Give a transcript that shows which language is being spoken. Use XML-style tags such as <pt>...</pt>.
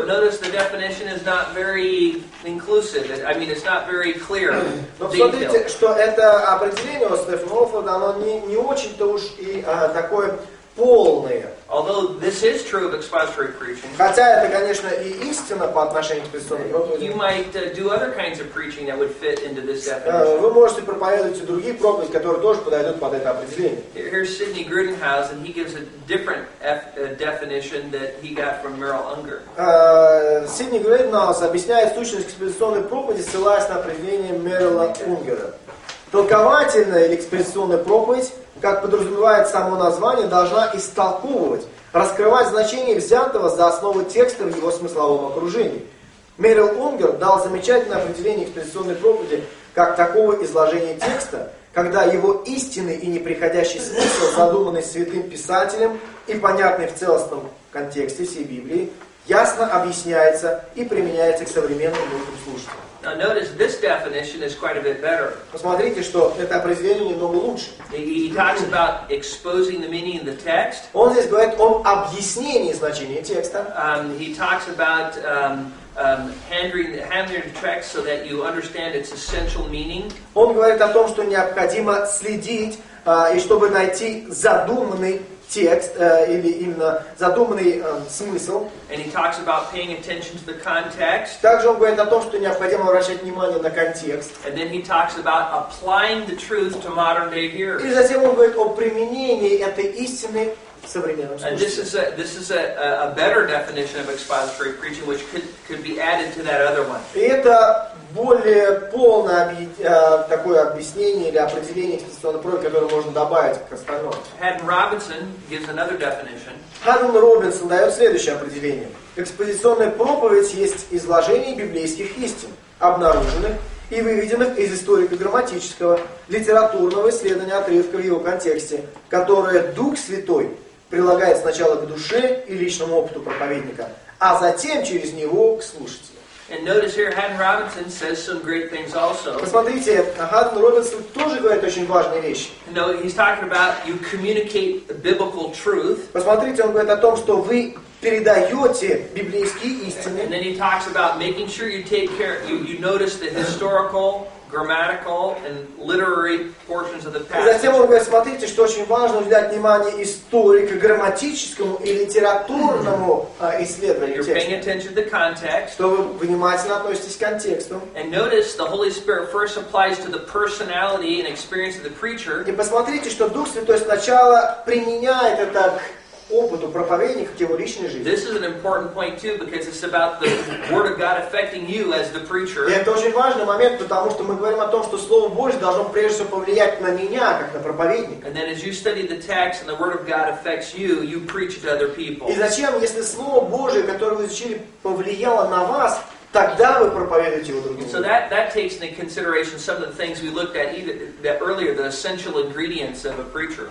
<en>But notice the definition is not very inclusive. I mean, it's not very clear.</en> <ru>Но посмотрите, что это определение у Стефана Олфорда, оно не очень-то уж и такое полное.</ru> <en>Although this is true of expository preaching,</en> <ru>хотя это, конечно, и истина по отношению к экспозиционной проповеди,</ru> <en>you might do other kinds of preaching that would fit into this definition.</en> <ru>Вы можете проповедовать и другие проповеди, которые тоже подойдут под это определение.</ru> <en>Here's Sidney Grudenhaus, and he gives a different definition that he got from Merrill Unger.</en> <ru>Сидни Грюденхаус объясняет сущность экспозиционной проповеди, ссылаясь на определение Меррилла Унгера. Толковательная или экспозиционная проповедь, как подразумевает само название, должна истолковывать, раскрывать значение взятого за основу текста в его смысловом окружении. Меррилл Унгер дал замечательное определение экспозиционной проповеди как такого изложения текста, когда его истинный и неприходящий смысл, задуманный святым писателем и понятный в целостном контексте всей Библии, ясно объясняется и применяется к современным нуждам слушателям.</ru> <en>Now notice this definition is quite a bit better.</en> <ru>Посмотрите, что это определение немного лучше.</ru> <en>He talks about exposing the meaning of the text.</en> <ru>Он здесь говорит об объяснении значения текста.</ru> <en>He talks about handling the text so that you understand its essential meaning.</en> <ru>Он говорит о том, что необходимо следить и чтобы найти задуманный текст или именно задуманный смысл.</ru> <en>And he talks about paying attention to the context.</en> <ru>Также он говорит о том, что необходимо обращать внимание на контекст.</ru> <en>And then he talks about applying the truth to modern day hearers.</en> <ru>И затем он говорит о применении этой истины современным слушателям.</ru> <en>And this is a better definition of expository preaching, which could be added to that other one.</en> <ru>И это более полное такое объяснение или определение экспозиционной проповеди, которое можно добавить к остальному.</ru> <en>Haddon Robinson gives another definition.</en> <ru>Haddon Robinson дает следующее определение. Экспозиционная проповедь есть изложение библейских истин, обнаруженных и выведенных из историко-грамматического, литературного исследования отрывка в его контексте, которое Дух Святой прилагает сначала к душе и личному опыту проповедника, а затем через него к слушателю.</ru> <en>And notice here, Haddon Robinson says some great things also.</en> <ru>Посмотрите, Haddon Robinson тоже говорит очень важные вещи.</ru> <en>No, he's talking about you communicate biblical truth.</en> <ru>Посмотрите, он говорит о том, что вы передаете библейские истины.</ru> <en>And then he talks about making sure you take care, you notice the historical, grammatical, and literary portions of the passage.</en> <ru>И затем он говорит, смотрите, что очень важно уделять внимание историко-грамматическому и литературному исследованию текста.</ru> <en>You're paying attention to the context.</en> <ru>Что вы внимательно относитесь к контексту.</ru> <en>And notice the Holy Spirit first applies to the personality and experience of the preacher.</en> <ru>И посмотрите, что Дух Святой сначала применяет это к опыту проповедника, к его личной жизни.</ru> <en>This is an important point too, because it's about the word of God affecting you as the preacher.</en> <ru>И это очень важный момент, потому что мы говорим о том, что Слово Божье должно прежде всего повлиять на меня, как на проповедника.</ru> <en>And then as you study the text and the word of God affects you, you preach it to other people.</en> <ru>И зачем, если Слово Божье, которое вы изучили, повлияло на вас, тогда вы проповедуете его другим.</ru> <en>So that takes into consideration some of the things we looked at either that earlier, the essential ingredients of a preacher.</en>